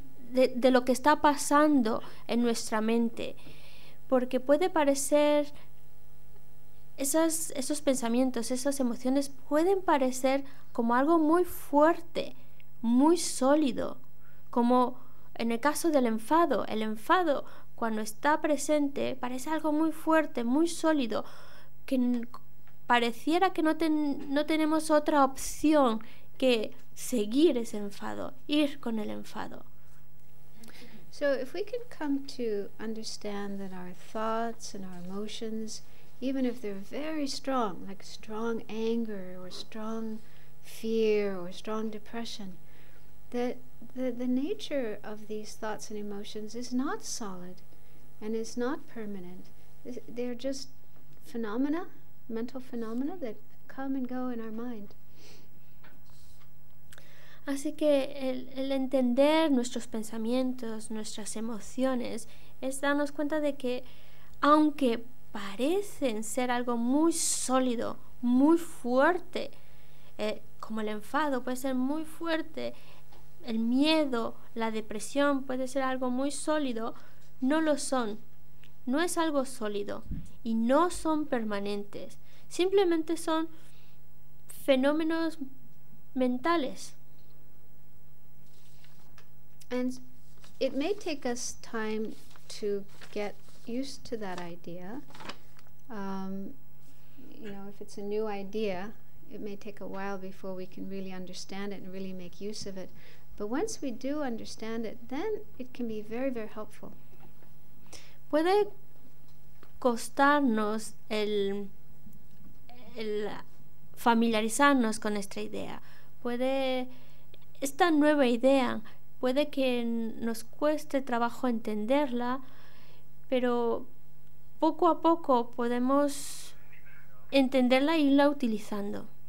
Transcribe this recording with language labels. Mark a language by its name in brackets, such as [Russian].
[Spanish] de lo que está pasando en nuestra mente, porque puede parecer esos pensamientos, esas emociones pueden parecer como algo muy fuerte, muy sólido, como en el caso del enfado. El enfado, cuando está presente, parece algo muy fuerte, muy sólido, que pareciera que no tenemos otra opción que seguir ese enfado, ir con el enfado. [English] So if we can come to understand that our thoughts and our emotions, even if they're very strong, like strong anger or strong fear or strong depression, that the nature of these thoughts and emotions is not solid and is not permanent. They're just phenomena, mental phenomena that come and go in our mind. [Spanish] Así que el entender nuestros pensamientos, nuestras emociones, es darnos cuenta de que aunque parecen ser algo muy sólido, muy fuerte, como el enfado puede ser muy fuerte, el miedo, la depresión puede ser algo muy sólido, no lo son. No es algo sólido y no son permanentes. Simplemente son fenómenos mentales. [English] And it may take us time to get used to that idea. You know, if it's a new idea, it may take a while before we can really understand it and really make use of it. But once we do understand it, then it can be very, very helpful. [Spanish] Puede costarnos el familiarizarnos con esta idea. Puede esta nueva idea, puede que nos cueste trabajo entenderla, pero poco a poco podemos entenderla e irla utilizando.